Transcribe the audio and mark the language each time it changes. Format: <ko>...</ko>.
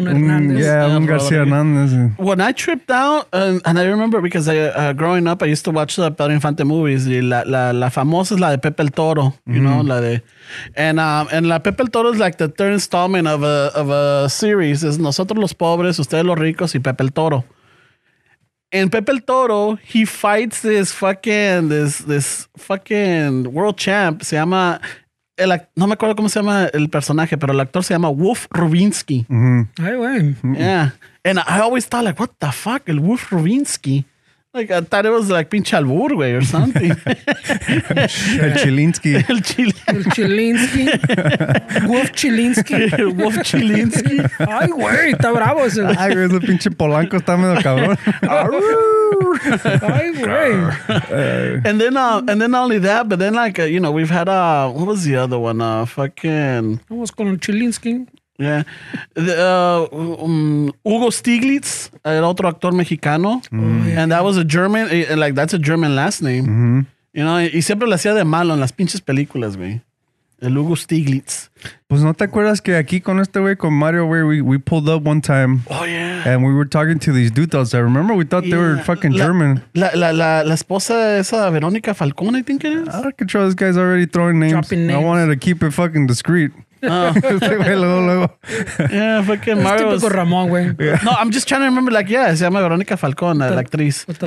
<es>Un García Hernández.</es> <en>When I tripped out, and I remember because growing up, I used to watch the Pedro Infante movies.</en> <es>Y la famosa es la de Pepe el Toro,</es> <en>you know,</en> <es>la de.</es> <en>And la Pepe el Toro is like the third installment of a series.</en> <es>Es Nosotros los Pobres, Ustedes los Ricos y Pepe el Toro.</es> <en>And Pepe el Toro, he fights this fucking world champ.</en> <es>Se llama el, no me acuerdo cómo se llama el personaje, pero el actor se llama Wolf Rubinsky. Mm-hmm. Ay, güey.</es> <en>Mm-hmm. Yeah. And I always thought like, what the fuck, el Wolf Rubinsky. Like, I thought it was like</en> <es>pinche albur, güey,</es> <en>or something.</en> <es>El Chilinsky. El Chilinsky. Wolf Chilinsky. Wolf Chilinsky. Ay, güey, está bravo ese. Ay, güey, ese pinche Polanco está medio cabrón. Ay, güey.</es> <en>And then not only that, but then like, you know, we've had, what was the other one? Fucking. I was calling Chilinsky. Yeah, the, Hugo Stiglitz,</en> <es>el otro actor mexicano,</es> <en>and that was a German, like that's a German last name, you know.</en> <es>Y siempre lo hacía de malo en las pinches películas, güey. El Hugo Stiglitz. Pues no te acuerdas que aquí con este güey, con Mario, güey,</es> <en>we pulled up one time. Oh yeah. And we were talking to these dudes. I remember we thought they were fucking German.</en> <es>La esposa esa Verónica Falcón,</es> <en>I think it is. I don't control this guy's already throwing names. Dropping names. I wanted to keep it fucking discreet. Yeah, fucking Mario.</en> <es>Típico Ramón, güey.</es> <en>No, I'm just trying to remember, like, yeah,</en> <es>se llama Verónica Falcón, la actriz.</es>